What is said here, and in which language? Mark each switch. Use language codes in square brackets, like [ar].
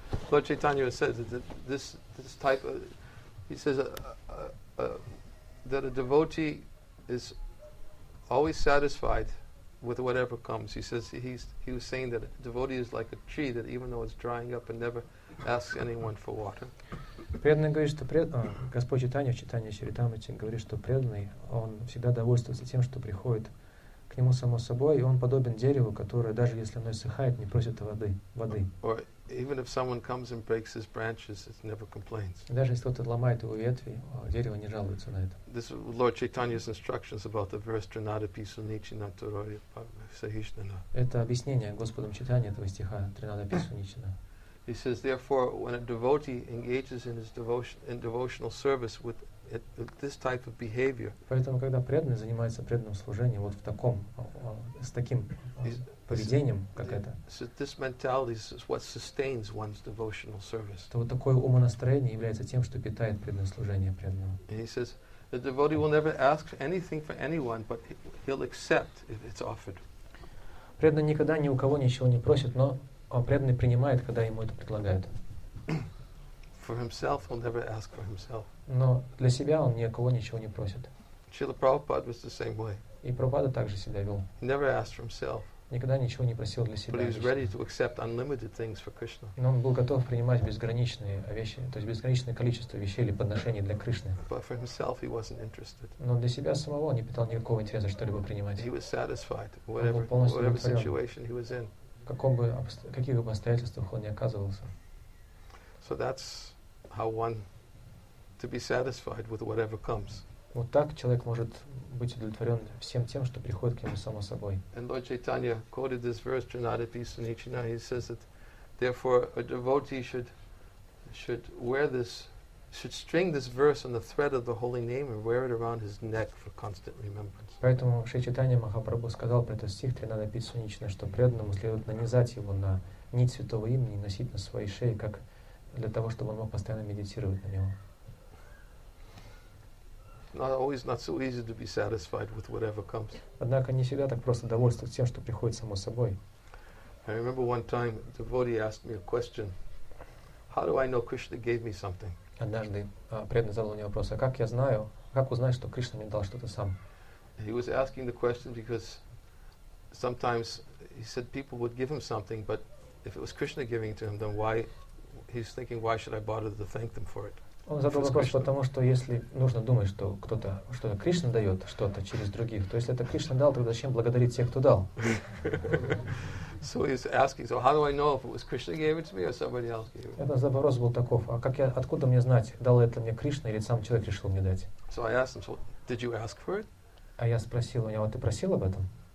[en] Lord Chaitanya says that this type of, he says that a devotee is always satisfied with whatever comes. He says he was saying that a devotee is like a tree that even though it's drying up and never asks anyone for water. [ru] Преданный говорит, что Господь Чайтанья в Чайтанья Чаритамрите говорит, что преданный, он всегда довольствуется тем, что приходит к нему само собой, и он подобен дереву, которое даже если оно иссыхает, не просит воды. [en] Or even if someone comes and breaks his branches, it never complains. [ru] Даже если кто-то ломает его ветви, дерево не жалуется на это. [en] This is Lord Chaitanya's instructions about the verse Trinadapi Sunichi Naturoya Sahishnana. [ru] Это объяснение Господом Чайтаньи этого стиха Trinadapi Sunichina. [en] He says, therefore, when a devotee engages in his devotional service with this type of behavior. [ru] Поэтому когда преданный занимается преданным служением вот в таком с таким поведением, как это. [en] So this mentality is what sustains one's devotional service. [ru] То вот такое умонастроение является тем, что питает преданное служение преданного. [en] And he says the devotee will never ask anything for anyone, but he'll accept if it's offered. [ru] Преданный никогда ни у кого ничего не просит, но преданный принимает, когда ему это предлагают. [en] For himself, he'll never ask for himself. [ru] Но для себя он ни о кого ничего не просит. [en] Srila Prabhupada was the same way. [ru] И Прабхупада также себя вел. [en] He never asked for himself. [ru] Никогда ничего не просил для себя. [en] But he was ready to accept unlimited things for Krishna. [ru] Но он был готов принимать безграничные вещи, то есть безграничное количество вещей или подношений для Кришны. [en] But for himself, he wasn't interested. [ru] Но для себя самого он не питал никакого интереса что-либо принимать. [en] He was satisfied, whatever situation he was in. [ru] Каких бы обстоятельствах он ни оказывался. [en] So that's how one to be satisfied with whatever comes. [ru] Вот так человек может быть удовлетворен всем тем, что приходит к нему само собой. [en] And Lord Chaitanya quoted this verse, Trinadapi Sunichina. He says that, therefore, a devotee should string this verse on the thread of the holy name and wear it around his neck for constant remembrance. [ru] Поэтому Шри Чайтанья Махапрабху сказал про этот стих Тринадапи Сунична, что преданному следует нанизать его на нить святого имени и носить на своей шее, как для того, чтобы он мог постоянно медитировать на него. [en] Not always not so easy to be satisfied with whatever comes. [ru] Однако не всегда так просто довольствоваться тем, что приходит само собой. [en] I remember one time a devotee asked me a question. How do I know Krishna gave me something? [ru] Однажды преданный задал мне вопрос: а как я знаю, как узнать, что Кришна мне дал что-то сам? [en] He was asking the question because sometimes he said people would give him something, but if it was Krishna giving it to him, then why? He's thinking, why should I bother to thank them for it? [ru] Он задал вопрос, потому что если нужно думать, что кто-то, что Кришна дает что-то через других, то если это Кришна дал, тогда зачем благодарить тех, кто дал? [en] So he's asking, so how do I know if it was Krishna gave it to me or somebody else gave it? [ru] Этот вопрос был таков: а как я, откуда мне знать, дал это мне Кришна или сам человек решил мне дать? [en] So I asked him, so did you ask for it? [ru] А я спросил у него: ты просил об этом?